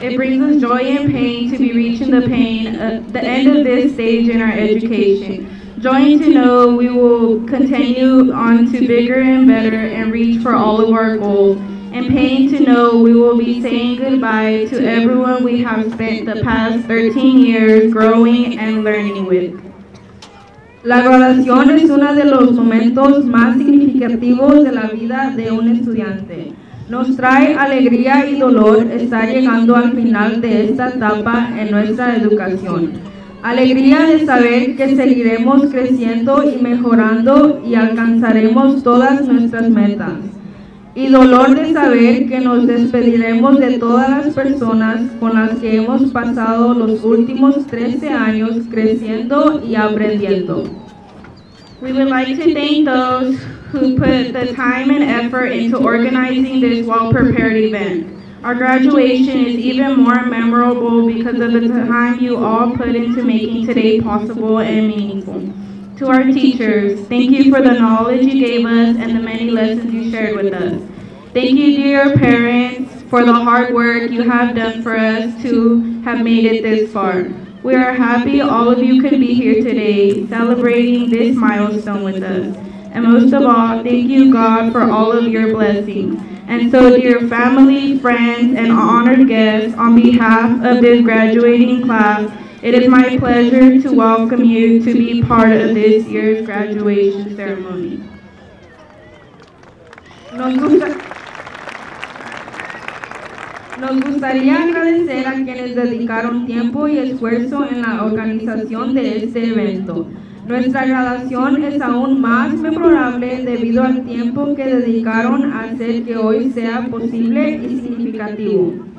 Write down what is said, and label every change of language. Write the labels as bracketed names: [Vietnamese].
[English] It brings us joy and pain to be reaching the pain of the end of this stage in our education. Joy to know we will continue on to bigger and better and reach for all of our goals. And pain to know we will be saying goodbye to everyone we have spent the past 13 years growing and learning with. [Spanish] La graduación es uno de los momentos más significativos de la vida de un estudiante. Nos trae alegría y dolor estar llegando al final de esta etapa en nuestra educación. Alegría de saber que seguiremos creciendo y mejorando y alcanzaremos todas nuestras metas. Y dolor de saber que nos despediremos de todas las personas con las que hemos pasado los últimos 13 años creciendo y aprendiendo. [English] We would like to thank those who put the time and effort into organizing this well-prepared event. Our graduation is even more memorable because of the time you all put into making today possible and meaningful. To our teachers, thank you for the knowledge you gave us and the many lessons you shared with us. Thank you to your parents for the hard work you have done for us to have made it this far. We are happy all of you could be here today celebrating this milestone with us. And most of all, thank you, God, for all of your blessings. And so, dear family, friends, and honored guests, on behalf of this graduating class, It is my pleasure to welcome you to be part of this year's graduation ceremony. [Spanish] Nos gustaría agradecer a quienes dedicaron tiempo y esfuerzo en la organización de este evento. Nuestra graduación es aún más memorable debido al tiempo que dedicaron a hacer que hoy sea posible y significativo.